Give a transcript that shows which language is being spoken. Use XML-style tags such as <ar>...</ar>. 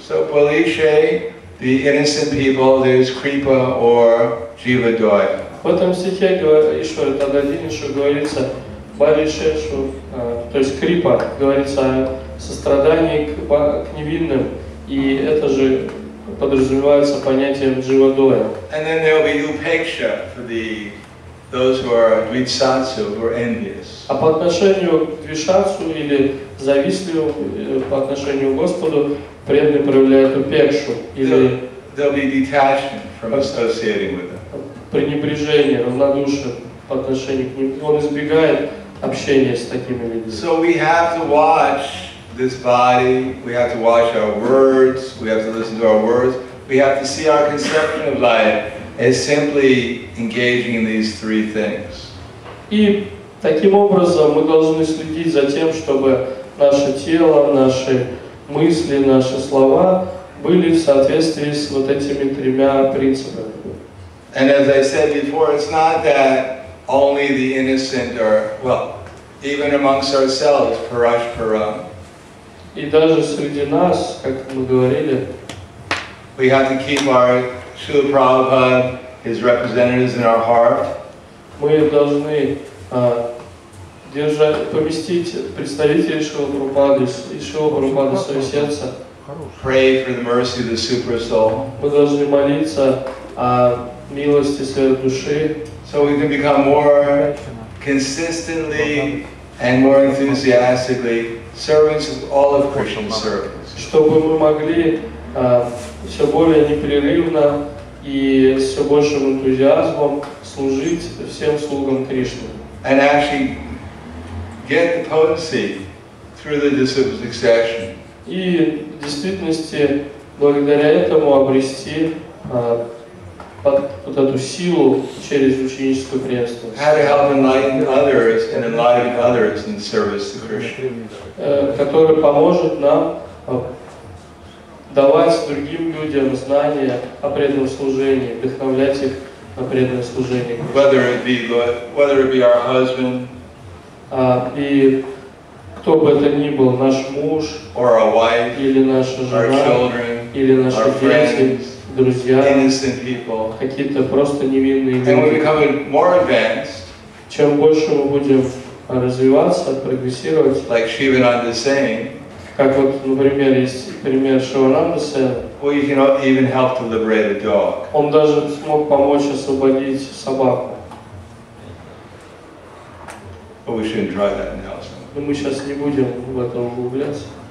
<en>So Palishe, the innocent people, there's Kripa or Jiva Doya.</en> <ru>В этом стихе Ишвара Тададинишу говорится Баришешу, то есть Крипа, говорится о сострадании к невинным, и это же подразумевается понятием Дживадоя.</ru> <en>And then there will be Upeksha for the those who are Dvitsatsu, who are envious.</en> <ru>А по отношению к Двишатсу или завистливым по отношению к Господу, преданный проявляет Упекшу. Или</ru> <en>there will be detachment from associating with them.</en> <ru>Пренебрежение, равнодушие по отношению к ним. Он избегает общения с такими людьми.</ru> <en>So we have to watch this body, we have to watch our words, we have to listen to our words, we have to see our conception of life as simply engaging in these three things.</en> <ru>И таким образом мы должны следить за тем, чтобы наше тело, наши мысли, наши слова были в соответствии с вот этими тремя принципами.</ru> <en>And as I said before, it's not that only the innocent are, well, even amongst ourselves, parashparam.</en> <ru>И даже среди нас, как мы говорили,</ru> <en>we have to keep our Srila Prabhupada, his representatives in our heart.</en> <ru>Мы должны поместить представителей Srila Prabhupada и Srila Prabhupada в своё сердце.</ru> <en>Pray for the mercy of the super soul.</en> <ru>Мы должны молиться милости своей души.</ru> <en>So we can become more consistently and more enthusiastically servants of all of Krishna's servants.</en> <ru>Чтобы мы могли все более непрерывно и с все большим энтузиазмом служить всем слугам Кришны.</ru> <en>And actually get the potency through the disciplic succession.</en> <ru>И в действительности благодаря этому обрести вот эту силу через ученическую преемственность.</ru> <en>How to help enlighten others and enlighten others in service to Krishna.</en> <ru>Который поможет нам давать другим людям знания о преданном служении, вдохновлять их на преданное служение.</ru> <en>Whether it be our husband.</en> <ru>И кто бы это ни был, наш муж.</ru> <en>Or our wife.</en> <ru>Или наша жена.</ru> <en>Our children.</en> <ru>Или наши</ru> <en>our</en> <ru>дети.</ru> <en>Friends.</en> <ru>Друзья,</ru> <en>innocent people.</en> <ru>Какие-то просто невинные люди.</ru> <en>And we're becoming more advanced.</en> <ru>Чем больше мы будем развиваться, прогрессировать.</ru> <en>Like Шивананда saying.</en> <ru>Как вот, например, есть пример Шивананда Сен.</ru> <en>Well, you can even help to liberate a dog.</en> <ru>Он даже смог помочь освободить собаку.</ru> <en>But we shouldn't try that in Nelson.</en> <ru>Но мы сейчас не будем в этом углубляться.</ru>